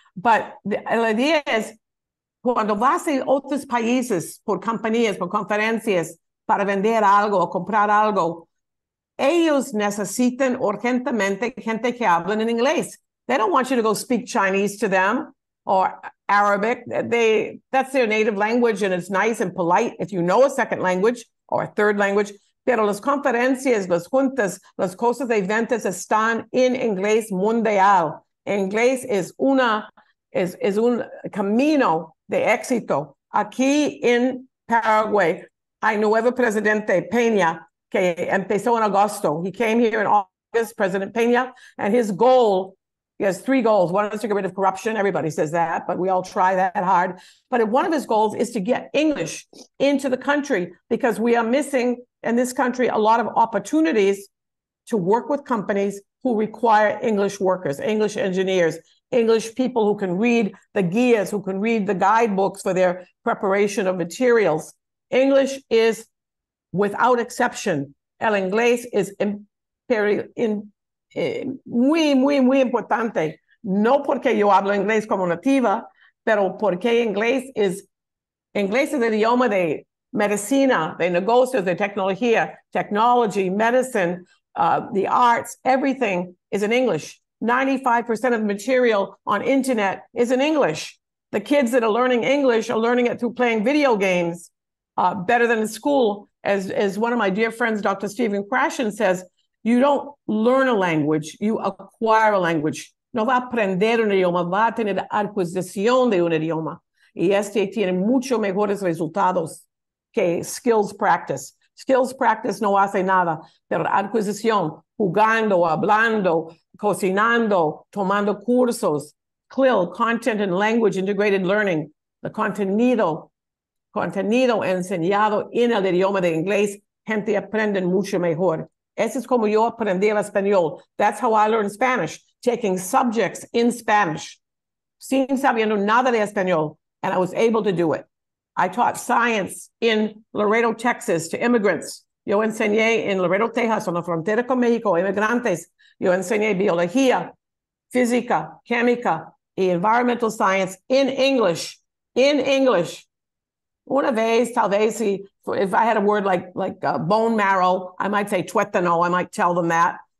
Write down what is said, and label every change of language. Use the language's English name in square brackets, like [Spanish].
[Spanish] But la idea es, cuando vas a otros países por compañías, por conferencias, para vender algo, comprar algo, ellos necesitan urgentemente gente que hable en inglés. [English] They don't want you to go speak Chinese to them or Arabic. That's their native language, and it's nice and polite if you know a second language or a third language. [Spanish] Pero las conferencias, las juntas, las cosas de eventos están en inglés mundial. Inglés es una es un camino de éxito. Aquí en Paraguay hay nuevo presidente Peña que empezó en agosto. [English] He came here in August, President Peña, and his goal, he has three goals. One is to get rid of corruption. Everybody says that, but we all try that hard. But one of his goals is to get English into the country because we are missing in this country a lot of opportunities to work with companies who require English workers, English engineers, English people who can read the guías, who can read the guidebooks for their preparation of materials. English is, without exception, [Spanish] el inglés is muy, muy, muy importante. No porque yo hablo inglés como nativa, pero porque inglés es el idioma de medicina, de negocios, de tecnología, [English] technology, medicine, the arts, everything is in English. 95% of the material on internet is in English. The kids that are learning English are learning it through playing video games better than in school. As one of my dear friends, Dr. Stephen Krashen says, you don't learn a language, you acquire a language. [Spanish] No va a aprender un idioma, va a tener adquisición de un idioma. Y este tiene mucho mejores resultados que skills practice. Skills practice no hace nada, pero adquisición, jugando, hablando, cocinando, tomando cursos, CLIL, content and language integrated learning, the contenido enseñado en el idioma de inglés, gente aprende mucho mejor. Eso es como yo aprendí el español. [English] That's how I learned Spanish, taking subjects in Spanish, [Spanish] sin sabiendo nada de español, [English] and I was able to do it. I taught science in Laredo, Texas, to immigrants. [Spanish] Yo enseñé en Laredo, Texas, on la frontera con México, inmigrantes. Yo enseñé biología, física, química, y [English] environmental science in English. [Spanish] Una vez, tal vez, [English] if I had a word like bone marrow, I might say tuétano, I might tell them that.